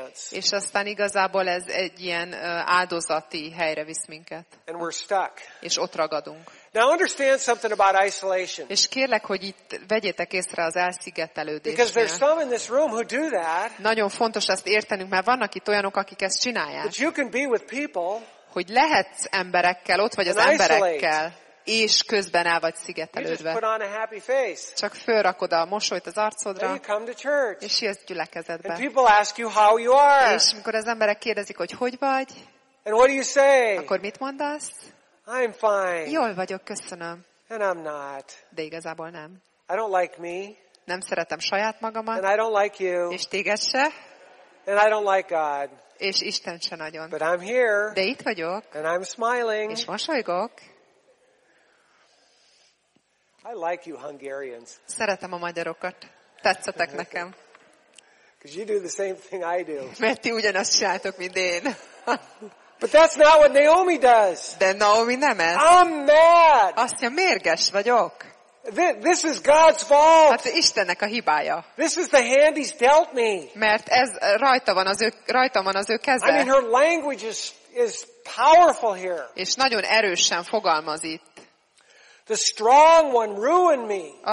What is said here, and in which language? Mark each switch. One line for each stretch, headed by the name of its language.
Hungarian: És aztán igazából ez egy ilyen áldozati helyre visz minket. És ott ragadunk.
English: Now understand something about isolation.
Hungarian: És kérlek, hogy itt vegyétek észre az elszigetelődést.
English: Because there's some in this room who do that.
Hungarian: Nagyon fontos ezt értenünk, mert vannak itt olyanok, akik ezt csinálják.
English: That you can be with people.
Hungarian: Hogy lehetsz emberekkel, ott vagy az emberekkel, és közben el vagy szigetelődve.
English: You just put on a happy face.
Hungarian: Csak fölrakod a mosolyt az arcodra.
English: You come to church.
Hungarian: És jössz gyülekezetbe.
English: And people ask you how you are.
Hungarian: És amikor az emberek kérdezik, hogy hogy vagy?
English: And what do you say?
Hungarian: Akkor mit mondasz?
English: I'm fine.
Hungarian: Jól vagyok, köszönöm.
English: And I'm not.
Hungarian: De igazából nem.
English: I don't like me.
Hungarian: Nem szeretem saját magamat.
English: And I don't like you.
Hungarian: És téged se.
English: And I don't like God.
Hungarian: És Isten se nagyon.
English: But I'm here.
Hungarian: De itt vagyok.
English: And I'm smiling.
Hungarian: És mosolygok.
English: I like you Hungarians.
Hungarian: Szeretem a magyarokat. Tetszetek nekem.
English: Because you do the same thing I do.
Hungarian: Mert ti ugyanazt csináltok, mint én.
English: But that's not what Naomi does.
Hungarian: De Naomi nem ez.
English: I'm mad.
Hungarian: Azt mondja, mérges vagyok.
English: This is God's fault.
Hungarian: Hát Istennek a hibája.
English: This is the hand he's dealt me.
Hungarian: Mert ez rajta van az ő keze.
English: I mean, her language is powerful here.
Hungarian: És nagyon erősen fogalmaz itt.
English: The strong one ruined me.